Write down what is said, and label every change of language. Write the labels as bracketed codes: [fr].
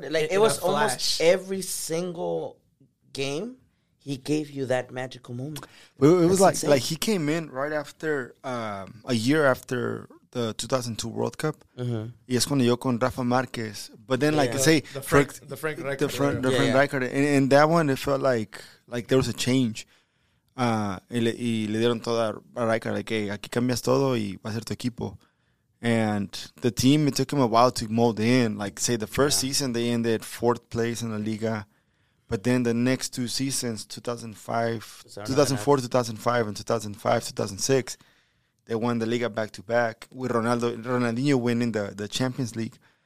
[en] It was almost every single game he gave you that magical moment. It was like he came in right after, a year after the 2002 World Cup. [es] Y es cuando yo con Rafa Márquez. [en] But then, the Frank Rijkaard. And that one, it felt like there was a change. [es] Y le dieron toda a Rijkaard, [en] like, hey, [es] aquí cambias todo y va a ser tu equipo. [en] And the team, it took him a while to mold in. Like, say, the first season, they ended 4th place in the Liga. But then the next 2 seasons, 2005, 2006, they won the Liga back-to-back with Ronaldinho winning the Champions League.